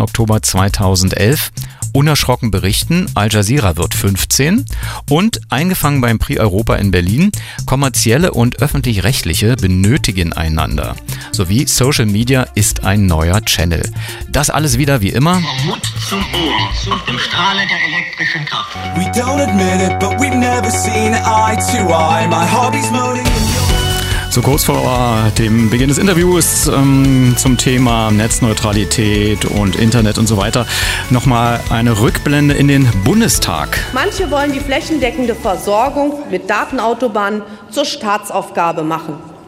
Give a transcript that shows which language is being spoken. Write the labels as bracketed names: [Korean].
[German] Oktober 2011, unerschrocken berichten, Al Jazeera wird 15 und eingefangen beim Prix Europa in Berlin, kommerzielle und öffentlich-rechtliche benötigen einander. Sowie Social Media ist ein neuer Channel. Das alles wieder wie immer. Mut zum Ohr und dem Strahlen der elektrischen Kraft. [English] We don't admit it, but we've never seen eye to eye. My hobby's moaning. [German] So kurz vor dem Beginn des Interviews zum Thema Netzneutralität und Internet und so weiter nochmal eine Rückblende in den Bundestag. Manche wollen die flächendeckende Versorgung mit Datenautobahnen zur Staatsaufgabe machen.